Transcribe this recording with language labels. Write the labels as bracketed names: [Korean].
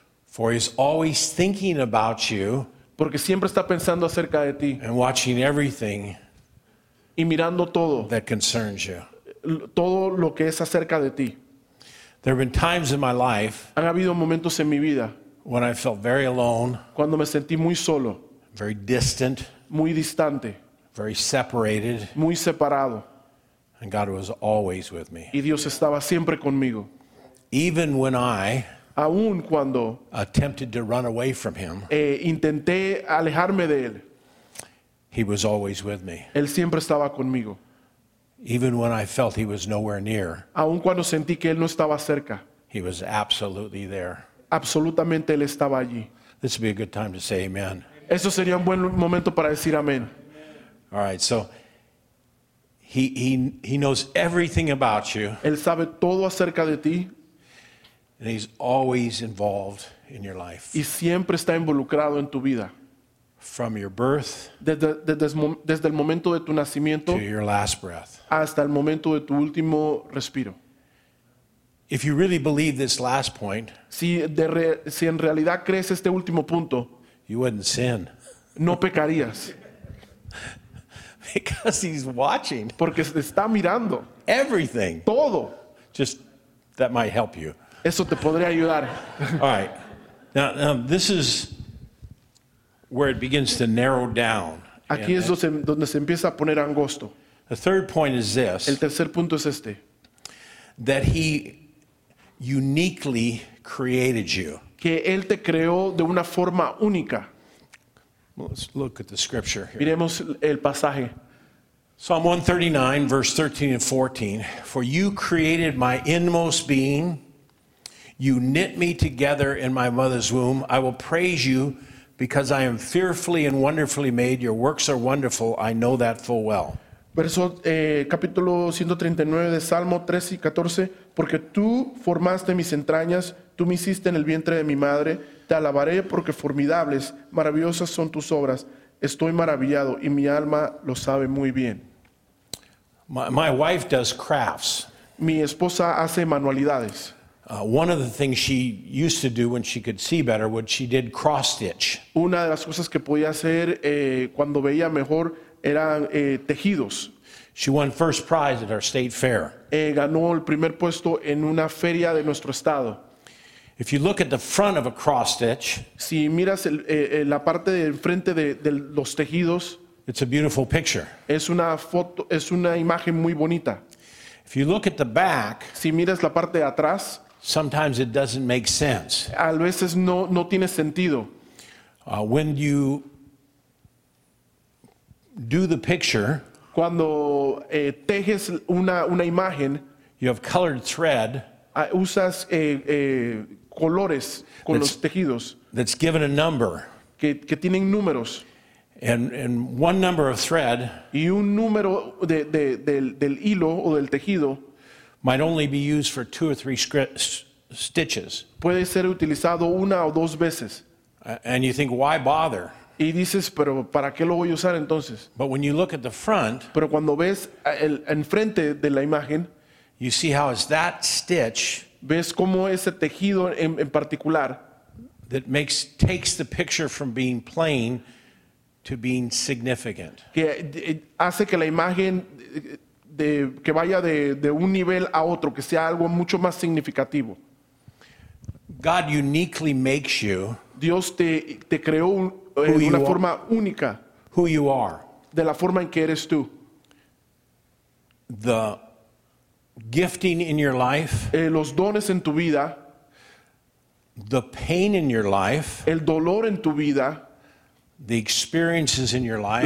[English] For he's always thinking about you. [Spanish] Porque siempre está pensando acerca de ti. [English] And watching everything. [Spanish] Y mirando todo. [English] That concerns you. [Spanish] Todo lo que es acerca de ti. [English] There have been times in my life. [Spanish] Han habido momentos en mi vida. [English] When I felt very alone. [Spanish] Cuando me sentí muy solo. [English] Very distant. [Spanish] Muy distante. [English] Very separated. [Spanish] Muy separado. [English] And God was always with me. [Spanish] Y Dios estaba siempre conmigo. [English] Even when I [Spanish] aun cuando [English] attempted to run away from him, [Spanish] intenté alejarme de él, [English] he was always with me. [Spanish] Él siempre estaba conmigo. [English] Even when I felt he was nowhere near, [Spanish] aun cuando sentí que él no estaba cerca, [English] he was absolutely there. [Spanish] Absolutamente él estaba allí. [English] This would be a good time to say amen. [Spanish] Eso sería un buen momento para decir amén. [English] All right, so he knows everything about you. [Spanish] Él sabe todo acerca de ti. [English] And he's always involved in your life. [Spanish] Y siempre está involucrado en tu vida. [English] From your birth. [Spanish] Desde el momento de tu nacimiento. [English] To your last breath. [Spanish] Hasta el momento de tu último respiro. [English] If you really believe this last point. [Spanish] Si en realidad crees este último punto. [English] You wouldn't sin. [Spanish] No pecarías. [English] Because he's watching. [Spanish] Porque está mirando. [English] Everything. [Spanish] Todo. [English] Just that might help you. [Spanish] Eso te podría ayudar. [English] All right. Now this is where it begins to narrow down. [Spanish] Aquí es donde se empieza a poner angosto. [English] The third point is this. [Spanish] El tercer punto es este. [English] that he uniquely created you. [Spanish] Que él te creó de una forma única. [English] Let's look at the scripture here. [Spanish] Miremos el pasaje. [English] Psalm 139, verse 13 and 14. For you created my inmost being. You knit me together in my mother's womb. I will praise you because I am fearfully and wonderfully made. Your works are wonderful. I know that full well. [Spanish] Verso, capítulo 139 de Salmo 13 y 14. Porque tú formaste mis entrañas, tú me hiciste en el vientre de mi madre. Te alabaré porque formidables, maravillosas son tus obras. Estoy maravillado y mi alma lo sabe muy bien. [English] My wife does crafts. [Spanish] Mi esposa hace manualidades. [English] One of the things she used to do when she could see better was she did cross stitch. [Spanish] Una de las cosas que podía hacer cuando veía mejor eran tejidos. [English] She won first prize at our state fair. [Spanish] Ganó el primer puesto en una feria de nuestro estado. [English] If you look at the front of a cross stitch, [Spanish] si miras la parte de enfrente de los tejidos, [English] it's a beautiful picture. [Spanish] Es una foto, es una imagen muy bonita. [English] If you look at the back, [Spanish] si miras la parte de atrás, [English] sometimes it doesn't make sense. [Spanish] A veces no tiene sentido. [English] When you do the picture, [Spanish] cuando tejes una imagen, [English] you have colored thread. [Spanish] Usas colores con los tejidos. [English] That's given a number. [Spanish] Que tienen números. [English] And one number of thread. [Spanish] Y un número del hilo o del tejido. [English] Might only be used for two or three stitches. [Spanish] Puede ser utilizado una o dos veces. [English] And you think, why bother? [Spanish] Y dices, pero ¿para qué lo voy a usar entonces? [English] But when you look at the front, [Spanish] pero cuando ves el enfrente de la imagen, [English] you see how it's that stitch, [Spanish] ves cómo ese tejido en particular, [English] that takes the picture from being plain to being significant. [Spanish] Que hace que la imagen que vaya de un nivel a otro, que sea algo mucho más significativo. [English] God uniquely makes you. [Spanish] Dios te creó de una forma única. [English] Who you are. [Spanish] De la forma en que eres tú. [English] The gifting in your life. [Spanish] Los dones en tu vida. [English] The pain in your life. [Spanish] El dolor en tu vida. [English] The experiences in your life.